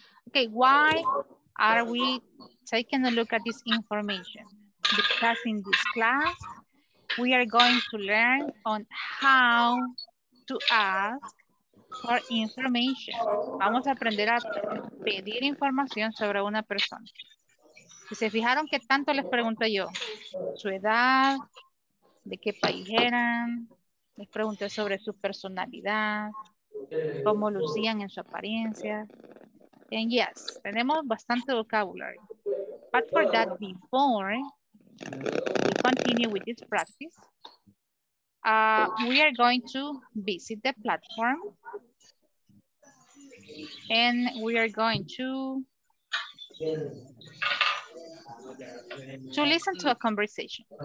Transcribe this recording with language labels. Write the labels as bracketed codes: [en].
[en] Okay, why are we taking a look at this information? Because in this class, we are going to learn on how to ask for information. [es] Vamos a aprender a pedir información sobre una persona. Si se fijaron que tanto les pregunto yo, su edad, de qué país eran, les pregunté sobre su personalidad, cómo lucían en su apariencia. [en] And yes, [es] tenemos bastante [en] vocabulary. But for that, before we continue with this practice, we are going to visit the platform and we are going to listen to a conversation.